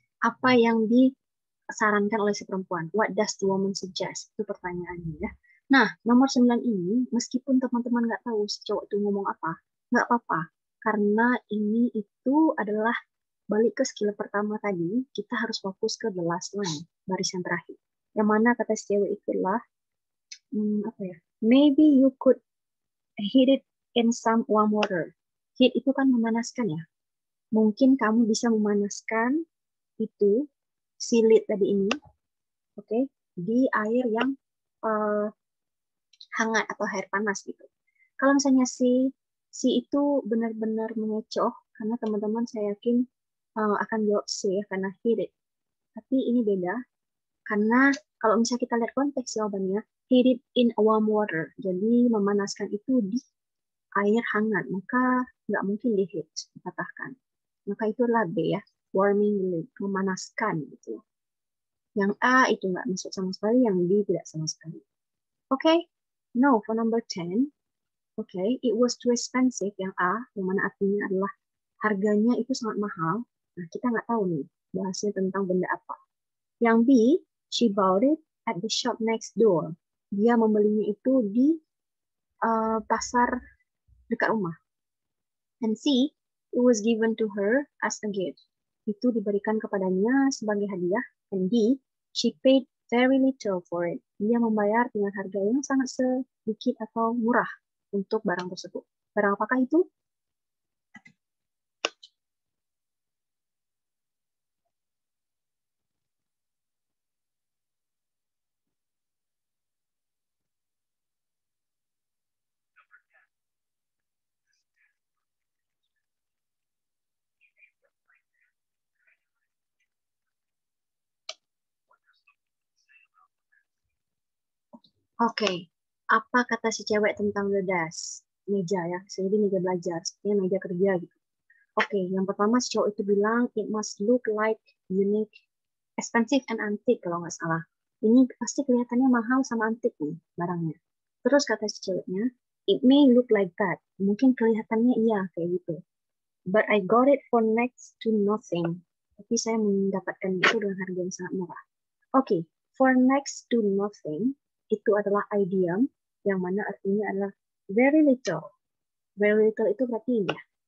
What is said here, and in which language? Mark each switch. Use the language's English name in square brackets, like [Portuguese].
[Indonesian] Apa yang disarankan oleh si perempuan? [English] What does the woman suggest? [Indonesian] Itu pertanyaannya ya. Nah, nomor 9 ini, meskipun teman-teman nggak tahu si cowok itu ngomong apa, nggak apa-apa. Karena ini itu adalah balik ke skill pertama tadi, kita harus fokus ke [English] the last line, [Indonesian] baris yang terakhir. Yang mana kata si cewek itulah, apa ya, [English] maybe you could Heat it in some warm water. [Indonesian] Heat itu kan memanaskan ya. Mungkin kamu bisa memanaskan itu, si lid tadi ini, oke, di air yang hangat atau air panas gitu. Kalau misalnya si itu benar-benar mengecoh, karena teman-teman saya yakin akan jawab C ya, karena heat it. Tapi ini beda, karena kalau misalnya kita lihat konteks jawabannya, [English] heat it in warm water, [Indonesian] jadi memanaskan itu di air hangat, maka nggak mungkin di heat, dipatahkan. Maka itulah B ya, [English] warming the lid, [Indonesian] memanaskan gitu. Yang A itu nggak masuk sama sekali, yang B tidak sama sekali. Oke, okay. [English] No for number 10. [Indonesian] Oke, okay. [English] It was too expensive, [Indonesian] yang A, yang mana artinya adalah harganya itu sangat mahal. Nah, kita nggak tahu nih bahasnya tentang benda apa. Yang B, [English] she bought it at the shop next door. [Indonesian] Dia membelinya itu di pasar dekat rumah. [English] And C, it was given to her as a gift. [Indonesian] Itu diberikan kepadanya sebagai hadiah. [English] And D, she paid very little for it. [Indonesian] Dia membayar dengan harga yang sangat sedikit atau murah untuk barang tersebut. Barang apakah itu? Oke, apa kata si cewek tentang [English] the desk? [Indonesian] Meja ya, jadi meja belajar, sepertinya meja kerja gitu. Oke, yang pertama si cowok itu bilang, [English] it must look like unique, expensive and antique [Indonesian] kalau nggak salah. Ini pasti kelihatannya mahal sama antik nih barangnya. Terus kata si ceweknya, [English] it may look like that. [Indonesian] Mungkin kelihatannya iya kayak gitu. [English] But I got it for next to nothing. [Indonesian] Tapi saya mendapatkan itu dengan harga yang sangat murah. Oke, [English] for next to nothing, [Indonesian] itu adalah idiom yang mana artinya adalah [English] very little. Very little [Indonesian] itu berarti ini ya.